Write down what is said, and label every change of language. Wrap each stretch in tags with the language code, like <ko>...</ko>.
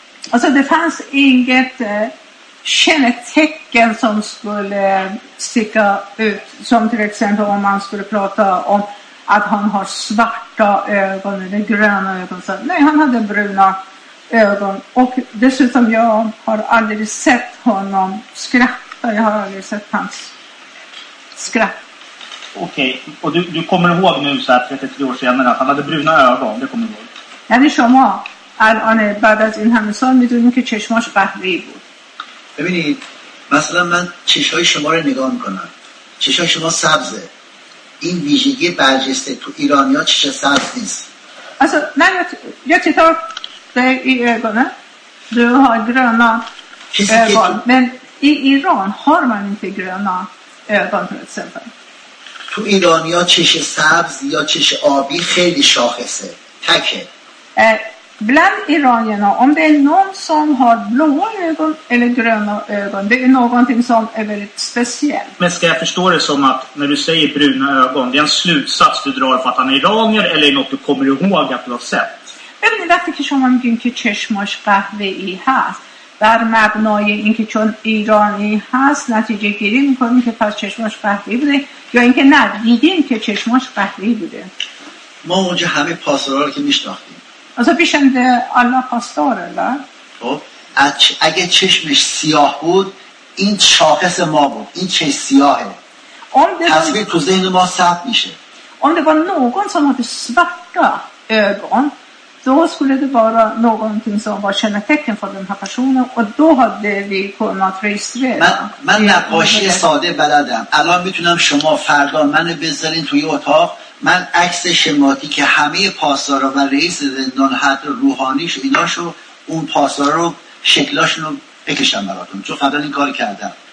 <sv>alltså det fanns inget kännetecken som skulle sticka ut som till exempel om man skulle prata om att han har svarta ögon eller gröna ögon så nej han hade bruna ögon. Och dessutom jag har aldrig sett honom skratta. Jag har aldrig sett hans skratt. Okej, okay. Och du kommer ihåg nu så här 33 år senare att han hade bruna ögon, det kommer du ihåg.</sv> <fa>یعنی شما الان بعد از این همه سال میدونید که چشماش قهوه‌ای بود. ببینید مثلا من چشای شما رو نگاه میکنم. چشای شما سبزه. این ویژگی برجسته تو ایرانیا چش سبز نیست. اصلا من یا چطور به این ایرانه؟ دو ها گرانا من این ایران هار من این فگرانا ایرانا تو ایرانیا چش سبز یا چش آبی خیلی شاخصه. تکه.</fa> <sv>Bland iranierna, om det är någon som har blåa ögon eller gröna ögon, det är någonting som är väldigt speciellt. Men ska jag förstå det som att när du säger bruna ögon, det är en slutsats du drar för att han är iranier eller är något du kommer ihåg att du har sett? Men det är därför att man säger att</sv> <fa>چشمش قهوه‌ای هست. بر مبنای اینکه چون ایرانی هست نتیجه گیری میکنیم که پس چشمش قهوه‌ای بوده یا اینکه نه دیدیم که چشمش قهوه‌ای بوده. ما اونجا همه پاسورا رو که میشناختیم.</fa> <sv>Alltså vi kände alla pastorer, va?</sv> <fa>Och اگه چشمش سیاه بود این شاخص ما بود این چش سیاهه.</fa> <sv>Om det</sv> <fa>var تو ذهن ما ثبت میشه.</fa> <sv>Om det var någon som hade svarta ögon, då skulle det vara någonting som var kännetecken för den här personen och då hade vi kunnat registrera.</sv> <fa>من نقاشی ساده بلدم. الان میتونم شما فردا منو بذارین توی اتاق من عکس شماتیک همه پاسدارا و رئیس زندان حتی روحانیش ایناشو اون پاسدارا رو شکلاشونو بکشم براتون چون قبلا این کار کردم.</fa>